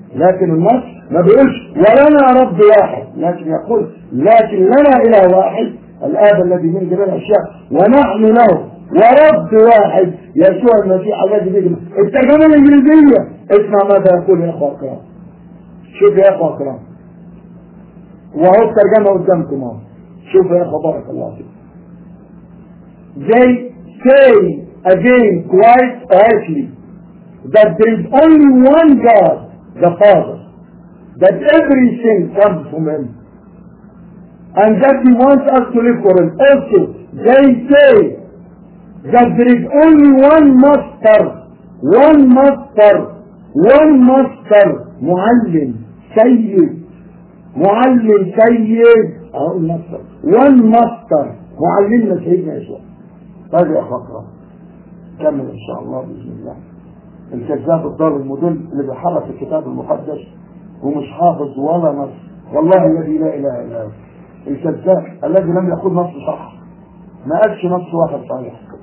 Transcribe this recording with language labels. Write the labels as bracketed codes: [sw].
[ar] لكن النص ما بيقولش ولنا رب واحد، لكن يقول لكن لنا اله واحد الاب الذي به جميع الاشياء ونحن له، ورب واحد يسوع المسيح الذي به. الترجمه الانجليزيه اسمع ماذا يقول يا اخوة الكرام، شوف يا اخوة الكرام وهو الترجمة قدامكم اهو، شوف يا اخوة بارك الله فيك. [en] They say again quite rightly that there is only one God the Father, that everything comes from him and that he wants us to live for him. Also they say that there is only one master, one master, one master, [ar] معلم سيد، معلم سيد او المصدر، وان مصدر معلمنا سيدنا يسوع. هذه خطرة كمل ان شاء الله باذن الله. الكذاب الضال المدل اللي بيحرف الكتاب المقدس ومش حافظ ولا نص، والله الذي لا اله الا هو الكذاب الذي لم يقول نص صح، ما قالش نص واحد صحيح.